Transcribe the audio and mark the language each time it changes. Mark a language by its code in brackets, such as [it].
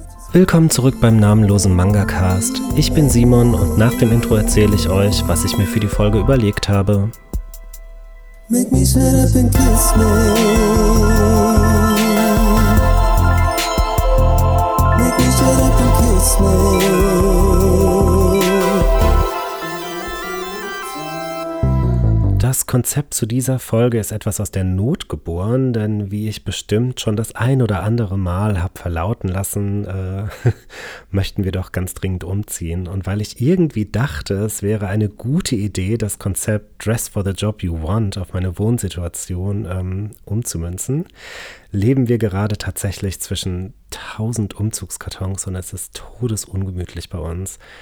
[de] Willkommen zurück beim namenlosen Manga-Cast. Ich bin Simon und nach dem Intro erzähle ich euch, was ich mir für die Folge überlegt habe. [en] Make me shut up and kiss me. Make me shut up and kiss me. [de] Das Konzept zu dieser Folge ist etwas aus der Not geboren, denn wie ich bestimmt schon das ein oder andere Mal habe verlauten lassen, möchten wir doch ganz dringend umziehen. Und weil ich irgendwie dachte, es wäre eine gute Idee, das Konzept [en] Dress for the Job You Want [de] auf meine Wohnsituation umzumünzen, leben wir gerade tatsächlich zwischen 1000 Umzugskartons und es ist todesungemütlich bei uns.